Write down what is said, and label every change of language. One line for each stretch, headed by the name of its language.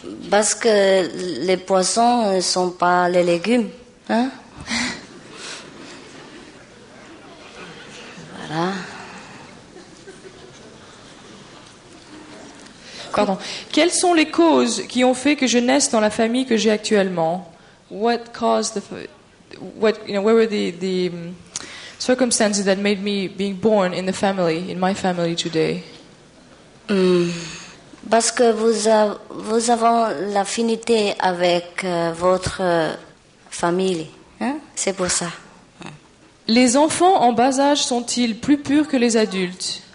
French: Parce que les poissons ne sont pas les légumes, hein? Voilà. Pardon. Quelles sont les causes qui ont fait que je naisse dans la famille que j'ai actuellement?
English: What caused the, what you know, where were the circumstances that made me being born in the family, in my family today?
French: Parce que vous avez l'affinité avec votre famille, hein? C'est pour ça. Les enfants en bas âge sont-ils plus purs que les adultes?